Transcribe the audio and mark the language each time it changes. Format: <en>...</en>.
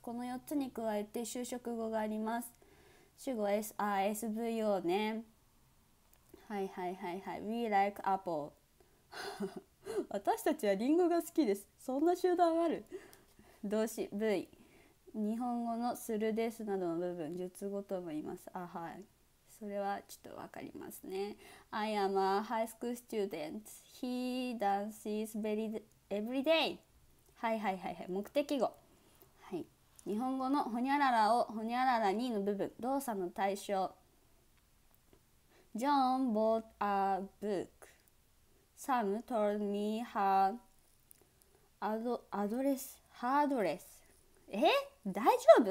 <ja>この4つに加えて修飾語があります。主語 SVO ね、はいはいはいはい、</ja> <en>We like apple</en> <ja>私たちはリンゴが好きです、そんな集団ある。動詞 V、 日本語のするですなどの部分、述語とも言います。あ、はい、それはちょっとわかりますね。</ja> <en>I am a high school student. He dances every day.</en> <ja>はいはいはいはい、目的語。はい。日本語のほにゃららをほにゃららにの部分、動作の対象。</ja> <en>John bought a book. Sam told me her address.</en> <ja>大丈夫？</ja>